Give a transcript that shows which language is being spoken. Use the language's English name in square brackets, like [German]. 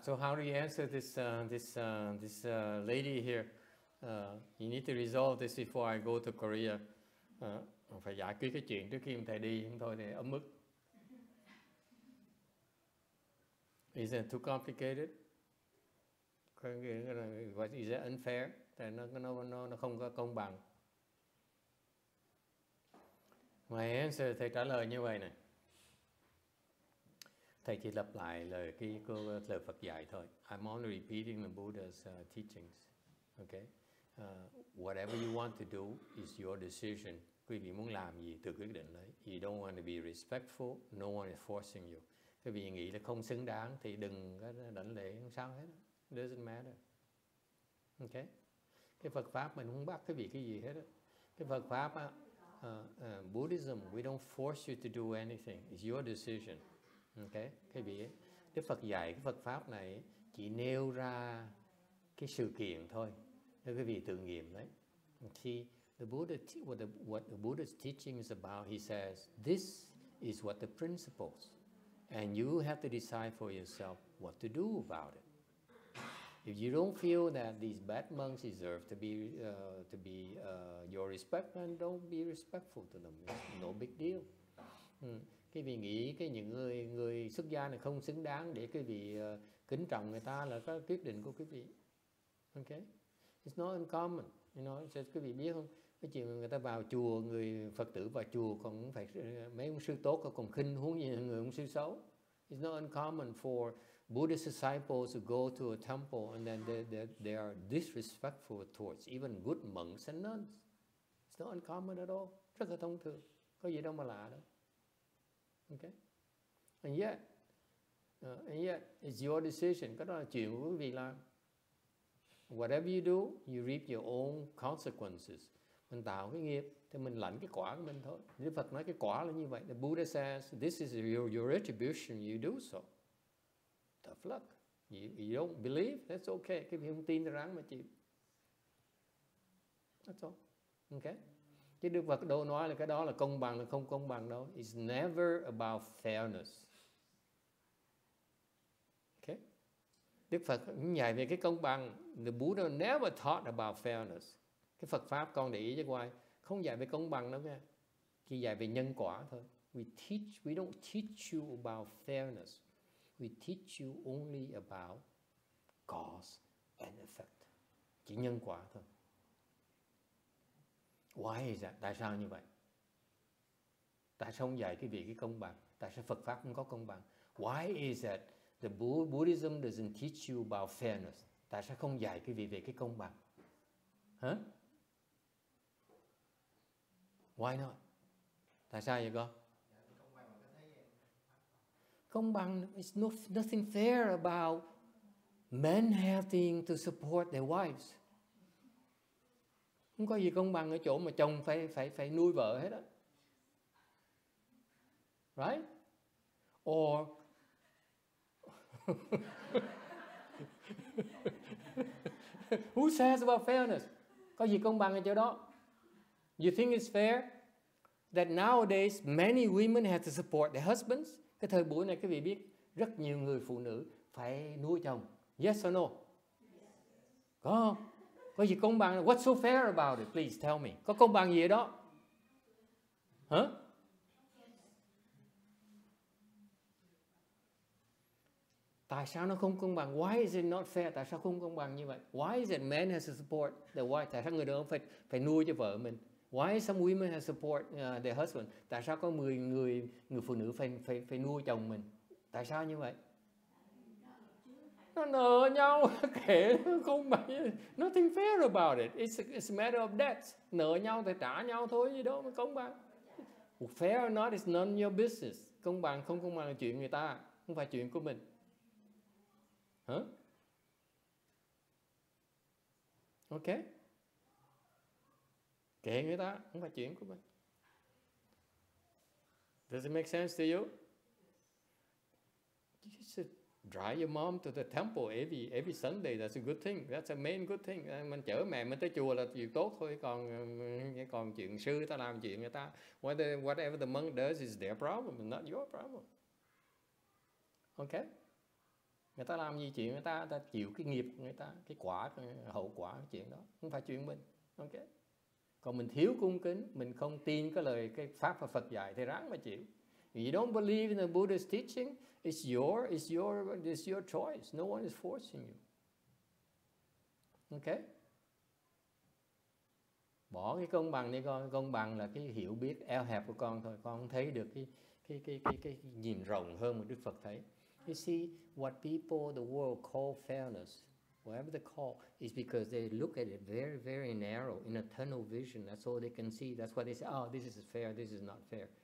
[English] So how do you answer this this lady here? You need to resolve this before I go to Korea. [Vietnamese] Phải giải quyết cái chuyện trước khi ông thầy đi, không thôi thì ấm ức. [English] Is it too complicated? Is it unfair? [Vietnamese] Tại nó không có công bằng. [English] My answer, [Vietnamese] thầy trả lời như vậy này. Thầy chỉ lặp lại lời cái câu lời Phật dạy thôi. [English] I'm only repeating the Buddha's teachings. Okay. Whatever you want to do is your decision. [Vietnamese] Quý vị muốn làm gì tự quyết định đấy. [English] You don't want to be respectful. No one is forcing you. [Vietnamese] Quý vị nghĩ là không xứng đáng thì đừng có đảnh lễ, không sao hết. [English] It doesn't matter. [Vietnamese] Okay. Cái Phật pháp mình không bắt quý vị cái gì hết. Cái Phật pháp [English] Buddhism, we don't force you to do anything. It's your decision. Okay. [Vietnamese] Cái vị ấy. Đức Phật dạy cái Phật pháp này chỉ nêu ra cái sự kiện thôi. Nếu quý vị tự nghiệm đấy. Khi [English] the Buddha what the Buddha's teaching is about, he says, this is what the principles, and you have to decide for yourself what to do about it. If you don't feel that these bad monks deserve to be your respect, then don't be respectful to them. It's no big deal. [Vietnamese] Quý vị nghĩ cái những người xuất gia này không xứng đáng để quý vị kính trọng người ta là có quyết định của quý vị. Okay. [English] It's not uncommon. You know, so [Vietnamese] quý vị biết không? Cái chuyện người ta vào chùa, người Phật tử vào chùa còn phải mấy ông sư tốt còn khinh huống gì người ông sư xấu. [English] It's not uncommon for Buddhist disciples to go to a temple and then they are disrespectful towards even good monks and nuns. It's not uncommon at all. [Vietnamese] Rất là thông thường. Có gì đâu mà lạ đâu. Okay. [English] And yet, it's your decision. [Vietnamese] Cái đó là chuyện của quý vị làm. [English] Whatever you do, you reap your own consequences. [Vietnamese] Mình tạo cái nghiệp, thì mình lãnh cái quả của mình thôi. Đức Phật nói cái quả là như vậy. [English] The Buddha says, this is your retribution, you do so. Tough luck. You don't believe, that's okay. [Vietnamese] Cái việc không tin thì ráng mà chịu. [English] That's all. [Vietnamese] Okay? Chứ Đức Phật đâu nói là cái đó là công bằng, là không công bằng đâu. [English] It's never about fairness. [Vietnamese] Okay? Đức Phật nhảy về cái công bằng. [English] The Buddha never thought about fairness. [Vietnamese] Cái Phật Pháp con để ý cho ngoài, không dạy về công bằng đâu nghe. Chỉ dạy về nhân quả thôi. [English] We don't teach you about fairness. We teach you only about cause and effect. [Vietnamese] Chỉ nhân quả thôi. [English] Why is that? [Vietnamese] Tại sao như vậy? Tại sao không dạy cái việc cái công bằng? Tại sao Phật Pháp không có công bằng? [English] Why is that the Buddhism doesn't teach you about fairness? [Vietnamese] Tại sao không dạy cái việc về cái công bằng? Hả? Huh? [English] Why not? [Vietnamese] Tại sao vậy con? Công bằng, [English] it's nothing fair about men having to support their wives. [Vietnamese] Không có gì công bằng ở chỗ mà chồng phải nuôi vợ hết á. [English] Right? Or who says about fairness? [Vietnamese] Có gì công bằng ở chỗ đó? [English] You think it's fair? That nowadays many women have to support their husbands. [Vietnamese] Cái thời buổi này quý vị biết rất nhiều người phụ nữ phải nuôi chồng. [English] Yes or no? Yes. [Vietnamese] Có không? Có gì công bằng? [English] What's so fair about it? Please tell me. [Vietnamese] Có công bằng gì ở đó? Hả? Huh? Tại sao nó không công bằng? [English] Why is it not fair? [Vietnamese] Tại sao không công bằng như vậy? [English] Why is it men have to support their wife? [Vietnamese] Tại sao người đàn ông phải nuôi cho vợ mình? [English] Why some women have support their husband? [Vietnamese] Tại sao có 10 người phụ nữ phải nuôi chồng mình? Tại sao như vậy? Nó nợ nhau, kể không bằng. [English] Nothing fair about it. It's a matter of debt. [Vietnamese] Nợ nhau thì trả nhau thôi, gì đâu mà công bằng. [English] Fair or not is none of your business. [Vietnamese] Công bằng không công bằng là chuyện người ta, không phải chuyện của mình. Hả? Huh? [English] Okay. [Vietnamese] Kệ người ta, không phải chuyện của mình. [English] Does it make sense to you? You just drive your mom to the temple every Sunday. That's a good thing. That's a main good thing. [Vietnamese] Mình chở mẹ mình tới chùa là chuyện tốt thôi. Còn chuyện sư ta làm chuyện người ta. [English] Whatever the monk does is their problem, not your problem. Okay? [Vietnamese] Người ta làm gì chuyện người ta, ta chịu cái nghiệp người ta, cái quả, hậu quả cái chuyện đó. Không phải chuyện mình. Okay? Còn mình thiếu cung kính, mình không tin cái lời cái pháp và Phật dạy thì ráng mà chịu. [English] You don't believe in the Buddha's teaching, it's your choice. No one is forcing you. Okay? [Vietnamese] Bỏ cái công bằng đi con, công bằng là cái hiểu biết eo hẹp của con thôi. Con thấy được cái nhìn rộng hơn mà Đức Phật thấy. [English] You see what people the world call fairness. Whatever they call, is because they look at it very, very narrow, in a tunnel vision. That's all they can see. That's why they say, oh, this is fair, this is not fair.